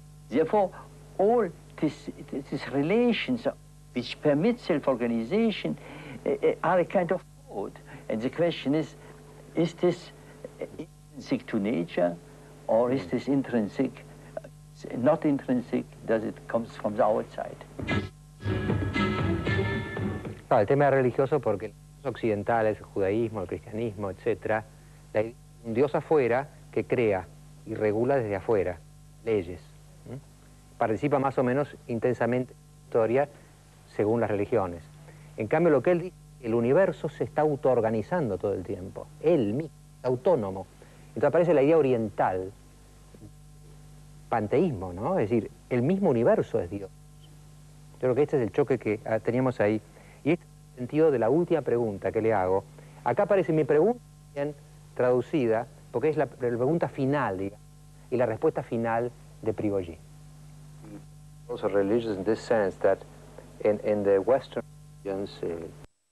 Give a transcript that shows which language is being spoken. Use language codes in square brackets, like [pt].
[en] Therefore, all these relations which permit self-organization are a kind of code. And the question is this intrinsic to nature, or is this intrinsic, not intrinsic, does it comes from the outside? [es] El tema es religioso porque occidentales, el judaísmo, el cristianismo, etc., la idea de un Dios afuera que crea y regula desde afuera leyes. Participa más o menos intensamente en la historia según las religiones. En cambio, lo que él dice, el universo se está autoorganizando todo el tiempo. Él mismo, autónomo. Entonces aparece la idea oriental, panteísmo, ¿no? Es decir, el mismo universo es Dios. Yo creo que este es el choque que teníamos ahí. Y este es el sentido de la última pregunta que le hago. Acá aparece mi pregunta bien traducida, porque es la pregunta final, digamos, y la respuesta final de Prigozhin. [en] Also religious in this sense that in the Western religions.